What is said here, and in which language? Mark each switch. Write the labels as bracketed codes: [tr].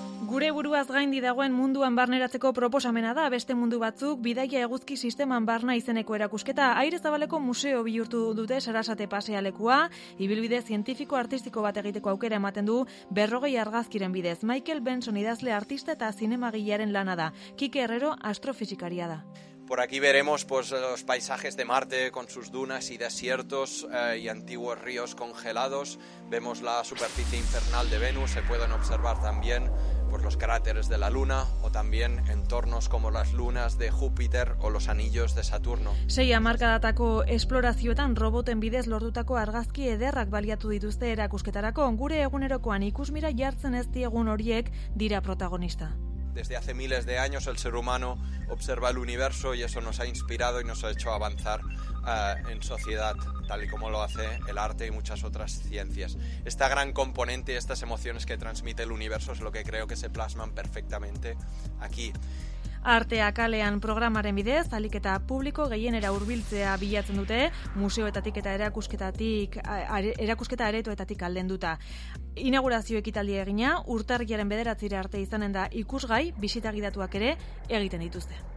[eu] Gure buruaz gaindi dagoen munduan barneratzeko proposamena da beste mundu batzuk bidaia eguzki sisteman barna izeneko erakusketa. Aire Zabaleko museo bihurtu dute Sarasate pasealekua, ibilbide zientifiko artistiko bat egiteko aukera ematen du 40 argazkiren bidez. Michael Benson idazle artista eta zinemagilearen lana da. Kike Herrero astrofisikaria da. [es] Por aquí veremos pues los paisajes de Marte con sus dunas y desiertos y antiguos ríos congelados. Vemos la superficie infernal de Venus, se pueden observar también pues los cráteres de la Luna o también entornos como las lunas de Júpiter o los anillos de Saturno. [eu] Sei hamarkadatako esplorazioetan roboten bidez lortutako argazki ederrak baliatu dituzte erakusketarako. Gure egunerokoan ikusmira jartzen ez diegun horiek dira protagonista. [es] Desde hace miles de años el ser humano observa el universo y eso nos ha inspirado y nos ha hecho avanzar en sociedad, tal y como lo hace el arte y muchas otras ciencias. Esta gran componente y estas emociones que transmite el universo es lo que creo que se plasman perfectamente aquí. [eu] Artea kalean programaren bidez, alik eta publiko gehienera hurbiltzea bilatzen dute, museoetatik eta erakusketa aretoetatik aldenduta. Inaugurazio ekitaldia egina, urtarriaren 9 arte izanen da ikusgai, bisita gidatuak ere egiten dituzte.